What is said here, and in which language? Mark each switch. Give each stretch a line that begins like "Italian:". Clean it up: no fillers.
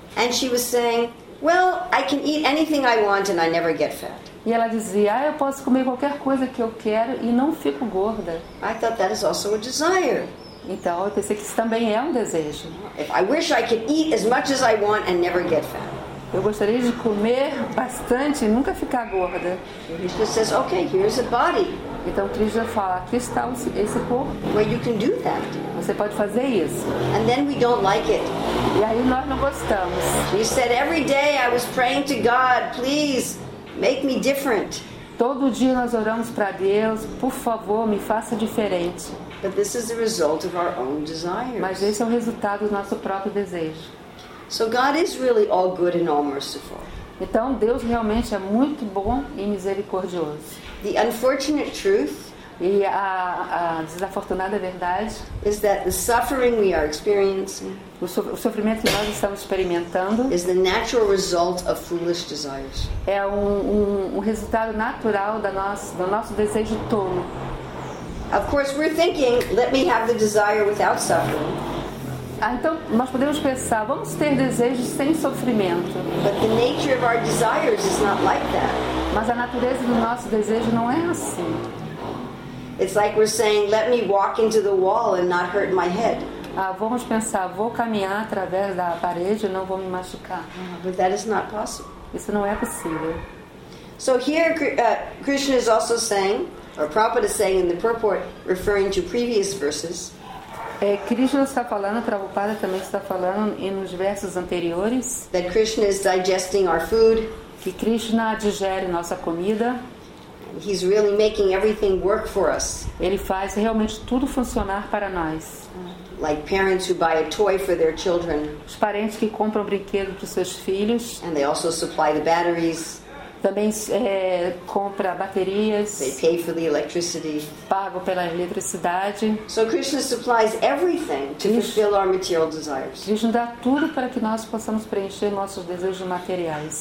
English: And she was saying, "Well, I can eat anything I want and I never get fat."
Portuguese: E ela dizia, "Ah, eu posso comer qualquer coisa que eu quero e não fico gorda."
English: I thought that is also a desire.
Portuguese: Então, eu pensei que isso também é um desejo.
English: If I wish I could eat as much as I want and never get fat.
Portuguese: Eu gostaria de comer bastante e nunca ficar gorda.
English: Krishna says, "Okay, here's a body."
Portuguese: Então Krishna fala, aqui está esse corpo.
English: Well, you can do that.
Portuguese: Você pode fazer isso.
English: And then we don't like it.
Portuguese: E aí nós não gostamos.
English: He said, "Every day I was praying to God, please make me different."
Portuguese: Todo dia nós oramos para Deus, por favor, me faça diferente.
English: But this is the result of our own desires.
Portuguese: Mas esse é o resultado do nosso próprio desejo.
English: So God is really all good and all merciful.
Portuguese: Então Deus realmente é muito bom e misericordioso.
English: The unfortunate truth,
Portuguese: e a desafortunada verdade,
English: is that the suffering we are experiencing,
Portuguese: o sofrimento que nós estamos experimentando,
English: is the natural result of foolish desires.
Portuguese: É um resultado natural do nosso desejo tolo.
English: Of course, we're thinking, "Let me have the desire without suffering."
Portuguese: Ah, então nós podemos pensar, vamos ter desejos sem sofrimento.
English: But the nature of our desires is not like that.
Portuguese: Mas a natureza do nosso desejo não é assim.
English: It's like we're saying, "Let me walk into the wall and not hurt my head."
Portuguese: Ah, vamos pensar, vou caminhar através da parede e não vou me machucar.
English: But that is not possible.
Portuguese: Isso não é possível.
English: So here Krishna is also saying, or Prabhupada is saying in the purport, referring to previous verses.
Portuguese: Krishna está falando, Prabhupada também está falando nos versos anteriores.
English: That Krishna is digesting our food.
Portuguese: Que Krishna digere nossa comida.
English: He's really making everything work for us.
Portuguese: Ele faz realmente tudo funcionar para nós.
English: Like parents who buy a toy for their children.
Portuguese: Os parentes que compram brinquedo para os seus filhos.
English: And they also supply the batteries.
Portuguese: Também compra baterias.
English: They pay for the electricity.
Portuguese: Pago pela eletricidade.
English: So Krishna supplies everything to fulfill our material desires.
Portuguese: Krishna dá tudo para que nós possamos preencher nossos desejos materiais.